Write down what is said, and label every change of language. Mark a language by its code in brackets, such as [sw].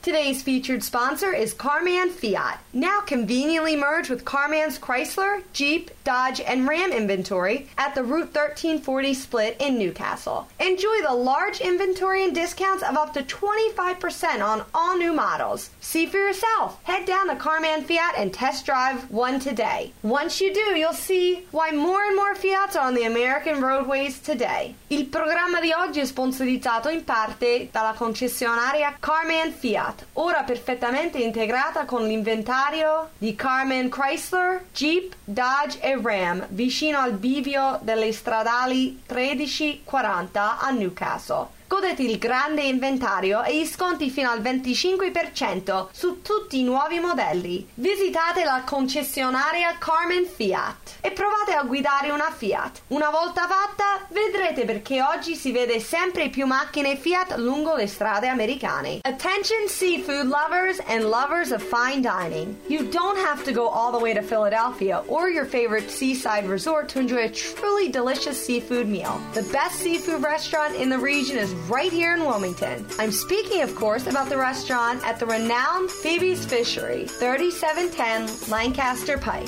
[en] Today's featured sponsor is Carman Fiat. Now conveniently merged with Carman's Chrysler, Jeep, Dodge, and Ram inventory at the Route 1340 split in Newcastle. Enjoy the large inventory and discounts of up to 25% on all new models. See for yourself. Head down to Carman Fiat and test drive one today. Once you do, you'll see why more and more Fiats are on the American roadways today. [it] Il programma di oggi è sponsorizzato in parte dalla concessionaria Carman Fiat. Ora perfettamente integrata con l'inventario di Carman Chrysler, Jeep, Dodge e Ram, vicino al bivio delle stradali 1340 a Newcastle. Godete il grande inventario e gli sconti fino al 25% su tutti i nuovi modelli. Visitate la concessionaria Carmen Fiat e provate a guidare una Fiat. Una volta fatta, vedrete perché oggi si vede sempre più macchine Fiat lungo le strade americane. [en] Attention seafood lovers and lovers of fine dining. You don't have to go all the way to Philadelphia or your favorite seaside resort to enjoy a truly delicious seafood meal. The best seafood restaurant in the region is right here in Wilmington. I'm speaking, of course, about the restaurant at the renowned Phoebe's Fishery, 3710 Lancaster Pike.